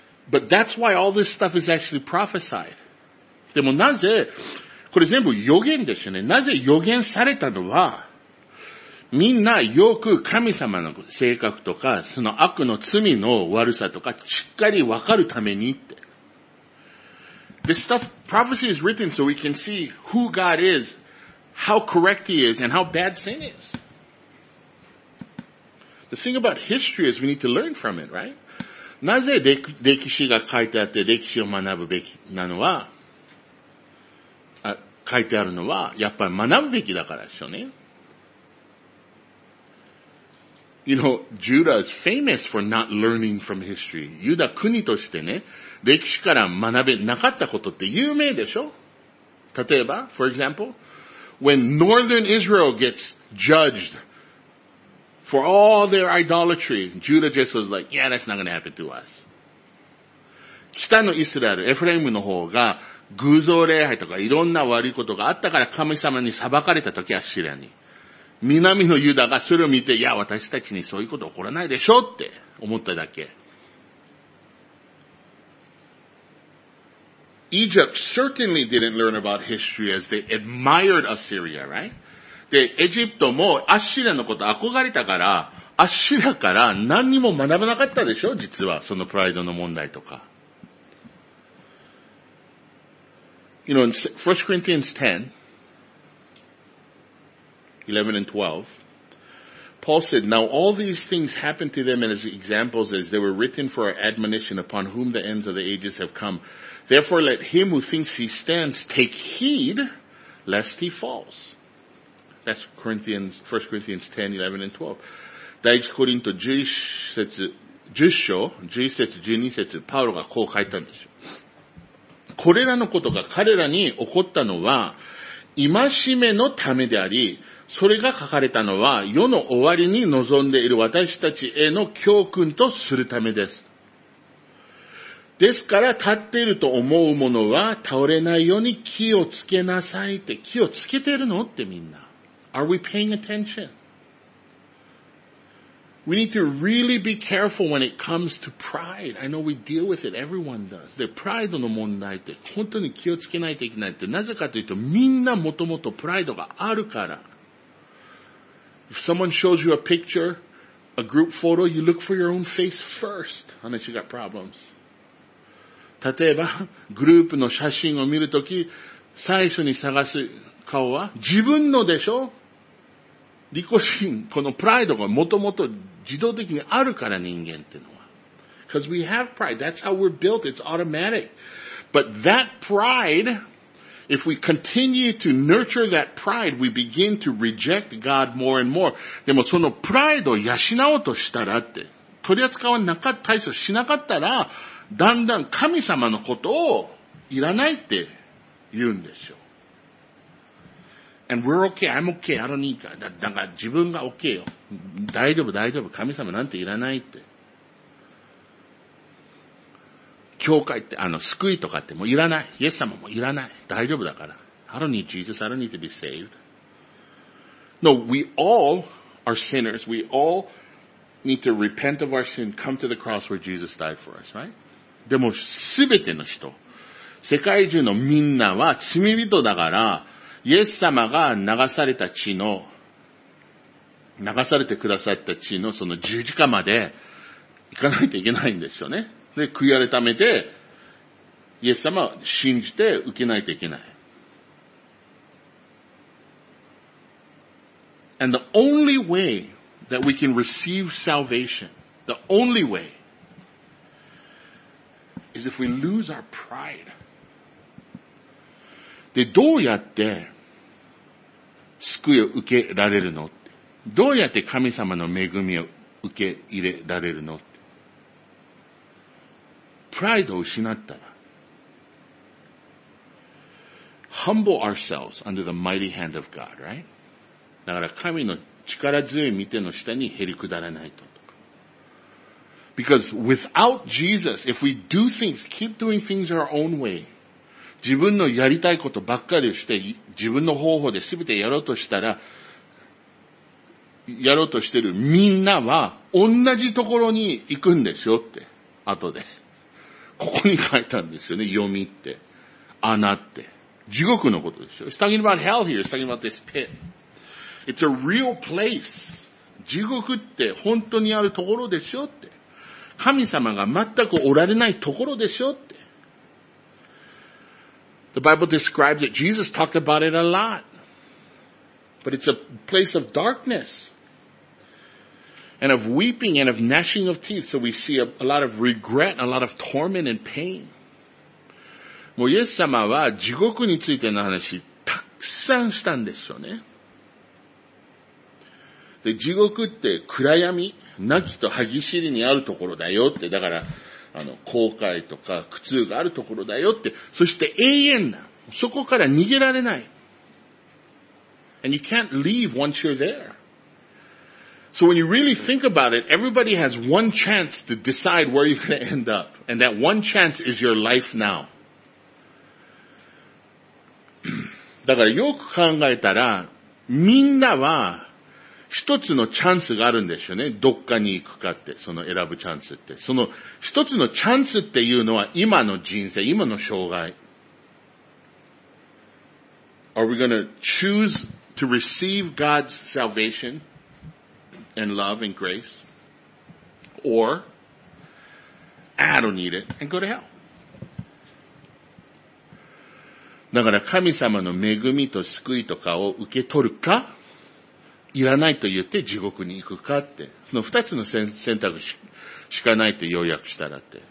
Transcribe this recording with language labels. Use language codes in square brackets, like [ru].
[en] But that's why all this stuff is actually prophesied. [ja] でもなぜ、これ全部予言ですよね。なぜ予言されたのは、みんなよく神様の性格とか、その悪の罪の悪さとか、しっかりわかるためにって。 [en] This stuff, prophecy is written so we can see who God is, how correct He is, and how bad sin is. The thing about history is we need to learn from it, right? [ja] なぜ歴史が書いてあって歴史を学ぶべきなのは、書いてあるのは、やっぱり学ぶべきだからですよね。 [en] You know, Judah is famous for not learning from history. [ja] ユダ国としてね、歴史から学べなかったことって有名でしょ？例えば、 [en] for example, when northern Israel gets judged for all their idolatry, Judah just was like, yeah, that's not going to happen to us. [ja] 北のイスラエル、エフレムの方が、偶像礼拝とかいろんな悪いことがあったから神様に裁かれた時アッシリアに。南のユダがそれを見て、いや、私たちにそういうこと起こらないでしょうって思っただけ。 [en] Egypt certainly didn't learn about history as they admired Assyria, right? [ja] で、エジプトもアッシリアのこと憧れたから、アッシリアから何にも学ばなかったでしょ、実は。そのプライドの問題とか。 [en] You know, in 1 Corinthians 10, 11 and 12, Paul said, Now all these things happened to them as examples as they were written for our admonition upon whom the ends of the ages have come. Therefore let him who thinks he stands take heed lest he falls. That's 1 Corinthians 10, 11 and 12. [ja] 第1コリント10章、11節、12節、パウロがこう書いたんですよ。これらのことが彼らに起こったのは、戒めのためであり、それが書かれたのは、世の終わりに望んでいる私たちへの教訓とするためです。ですから、立っていると思うものは、倒れないように気をつけなさいって、気をつけてるのってみんな。 [en] Are we paying attention? We need to really be careful when it comes to pride. I know we deal with it, everyone does. [ja] で、プライドの問題って、本当に気をつけないといけないって、なぜかというと、みんなもともとプライドがあるから。 [en] If someone shows you a picture, a group photo, you look for your own face first, unless you got problems. [ja] 例えば、グループの写真を見るとき、最初に探す顔は自分のでしょ？利己心、このプライドがもともと自動的にあるから人間っていうのは。 [en] Because we have pride. That's how we're built. It's automatic. But that pride,If we continue to nurture that pride, we begin to reject God more and more. [ja] でもそのプライドを養おうとしたらって、取り扱わなかった、対処しなかったら、だんだん神様のことをいらないって言うんですよ。 [en] And we're okay, I'm okay, I don't need God. [ja] だから自分が OK よ。大丈夫、大丈夫、神様なんていらないって。教会って、救いとかってもういらない。イエス様もいらない。大丈夫だから。 [en] I don't need Jesus. I don't need to be saved. No, we all are sinners. We all need to repent of our sin, come to the cross where Jesus died for us, right? [ja] でも、すべての人、世界中のみんなは罪人だから、イエス様が流されてくださった血のその十字架まで行かないといけないんですよね。で、悔い改めて、イエス様を信じて受けないといけない。 [en] And the only way that we can receive salvation, the only way, is if we lose our pride. [ja] で、どうやって救いを受けられるの？どうやって神様の恵みを受け入れられるの？プライドを失ったら。 [en] Humble ourselves under the mighty hand of God, right? [ja] だから神の力強い御手の下にへり下らないと。 [en] Because without Jesus, if we do things, keep doing things our own way, [ja] 自分のやりたいことばっかりをして、自分の方法で全てやろうとしたら、やろうとしてるみんなは同じところに行くんですよって、後で。ここに書いたんですよね、読みって。穴って。地獄のことでしょ。 [en] It's talking about hell here. It's talking about this pit. It's a real place. [ja] 地獄って本当にあるところでしょって。神様が全くおられないところでしょって。 [en] The Bible describes it. Jesus talked about it a lot. But it's a place of darkness. And of weeping and of gnashing of teeth. So we see a lot of regret, a lot of torment and pain. [ja] もうイエス様は地獄についての話たくさんしたんですよね。で、地獄って暗闇、亡きと歯ぎしりにあるところだよって。だから、後悔とか苦痛があるところだよって。そして永遠だ。そこから逃げられない。 [en] And you can't leave once you're there. So when you really think about it, everybody has one chance to decide where you're going to end up. And that one chance is your life now. [ja] だからよく考えたら、みんなは一つのチャンスがあるんですよね。どっかに行くかって、その選ぶチャンスって。その一つのチャンスっていうのは今の人生、今の生涯。 [en] Are we going to choose to receive God's salvation and love and grace? Or, I don't need it and go to hell. [ja] だから神様の恵みと救いとかを受け取るか、いらないと言って地獄に行くかって、その二つの選択しかないって要約したらって。